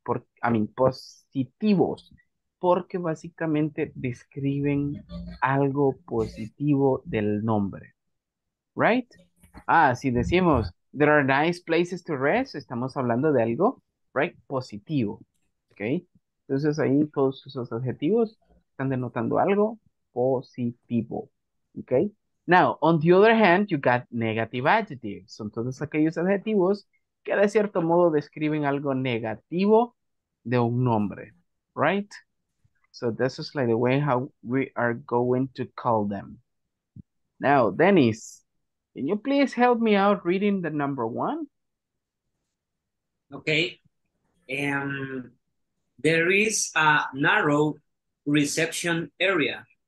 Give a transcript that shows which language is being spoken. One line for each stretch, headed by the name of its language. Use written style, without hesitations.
Spanish: Positivos. Porque básicamente describen algo positivo del nombre. Right? Ah, si decimos,
English: there are nice places to rest,
Spanish: estamos hablando de algo, right, positivo. Okay. Entonces ahí todos esos adjetivos están denotando algo positivo.
English: Okay. Now, on the other hand, you got negative adjectives.
Spanish: Son todos aquellos adjetivos que de cierto modo describen algo negativo de un nombre.
English: Right? So this is like the way how we are going to call them. Now, Dennis, can you please help me out reading the number one? Okay, there is a narrow reception area.